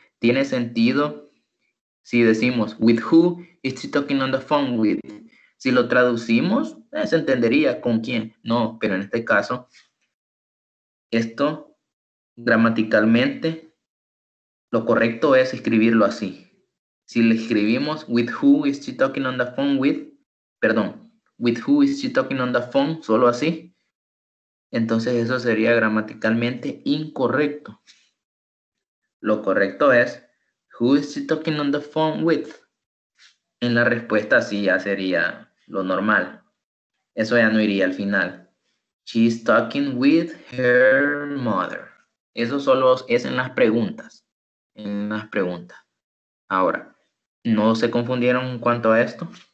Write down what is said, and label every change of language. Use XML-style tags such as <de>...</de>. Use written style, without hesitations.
<es>Tiene sentido si decimos</es> <en>with who is she talking on the phone with.</en> <es>Si lo traducimos, se entendería con quién. No, pero en este caso, esto gramaticalmente, lo correcto es escribirlo así. Si le escribimos</es> <en>with who is she talking on the phone with,</en> <es>perdón,</es> <en>with who is she talking on the phone,</en> <es>solo así, entonces eso sería gramaticalmente incorrecto. Lo correcto es,</es> <en>who is she talking on the phone with?</en> <es>En la respuesta sí ya sería lo normal. Eso ya no iría al final.</es> <en>She's talking with her mother.</en> <es>Eso solo es en las preguntas. En las preguntas. Ahora, ¿no se confundieron en cuanto a esto?</es>